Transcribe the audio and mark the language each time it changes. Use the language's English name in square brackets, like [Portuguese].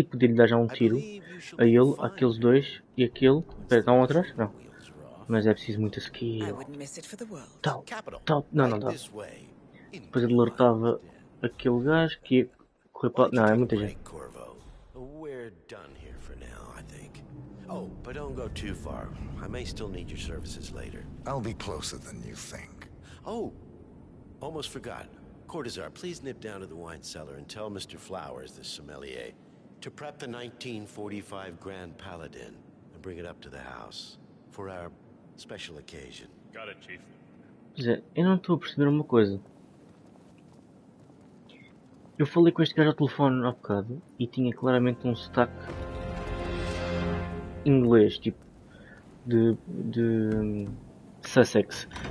[Portuguese] E podia-lhe dar já um tiro a ele, aqueles dois e aquele. Espera, estão atrás? Não. Mas é preciso muita skill. Tal. Tal. Não, não, tal. Depois ele alertava aquele gajo que ia correr para... Não, é muita gente. [English] Corvo, we're done here for now, I think. Oh, but don't go too far. I may still need your services later. I'll be closer than you think. Oh, almost forgot. Cortazar, please nip down to the wine cellar and tell Mr. Flowers, the sommelier, to prep the 1945 Grand Paladin and bring it up to the house for our... special occasion. Got it, chief. [Portuguese] Pois é, eu não estou a perceber uma coisa. Eu falei com este gajo ao telefone há bocado e tinha claramente um sotaque inglês, tipo de Sussex.